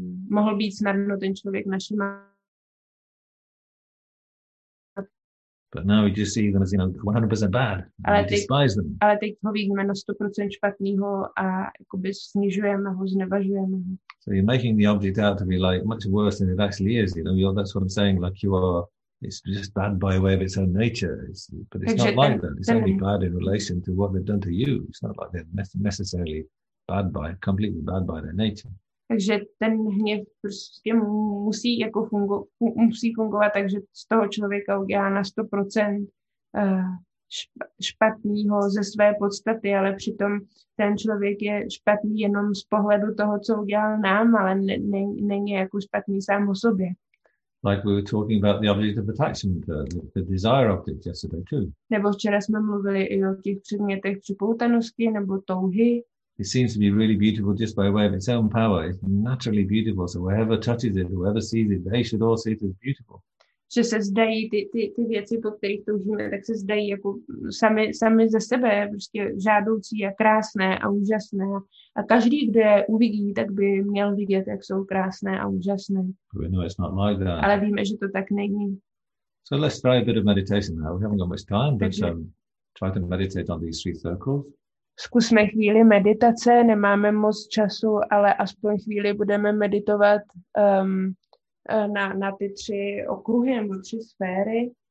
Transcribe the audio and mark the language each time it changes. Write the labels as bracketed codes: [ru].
[cs] Mohl být snadno ten člověk naší matka. [en] But now we just see them as, you know, 100% bad. [cs] Ale [en] and we despise them. [cs] Ale teď ho vidíme na 100% špatného a jakoby snižujeme ho, znevažujeme ho. [en] So you're making the object out to be like much worse than it actually is, you know. That's what I'm saying. Like you are, it's just bad by way of its own nature. It's not like that. It's only bad in relation to what they've done to you. It's not like they're necessarily bad by, completely bad by their nature. [cs] Takže ten hněv prostě musí jako musí fungovat, takže z toho člověka udělá na 100% špatného ze své podstaty, ale přitom ten člověk je špatný jenom z pohledu toho, co udělal nám, ale není jako špatný sám o sobě. [en] Like we were talking about the object of attachment, the desire object yesterday too. [cs] Nebo včera jsme mluvili i o těch předmětech připoutanosti nebo touhy. [en] It seems to be really beautiful just by way of its own power. It's naturally beautiful, so whoever touches it, whoever sees it, they should all see it as beautiful. [cs] že se zdají ty věci, po kterých toužíme, tak se zdají jako sami ze sebe, prostě žádoucí a krásné a úžasné. A každý, kdo je uvidí, tak by měl vidět, jak jsou krásné a úžasné. Ale víme, že to tak není. [en] So let's try a bit of meditation now. We haven't got much time, but try to meditate on these three circles. [cs] Zkusme chvíli meditace, nemáme moc času, ale aspoň chvíli budeme meditovat na ty tři okruhy nebo tři sféry.